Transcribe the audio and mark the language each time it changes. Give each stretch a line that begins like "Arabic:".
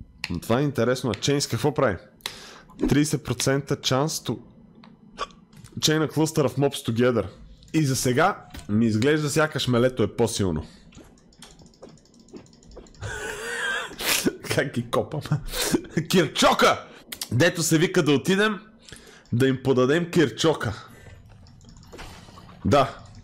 Bulgarian: Но това е интересно. Chains какво прави?
English: 30% chance to... Chain a cluster of mobs together.
Bulgarian: И за сега ми изглежда сякаш мелето е по-силно. Как ги копам? Кирчока! Дето се вика да отидем да им подадем кирчока. Да.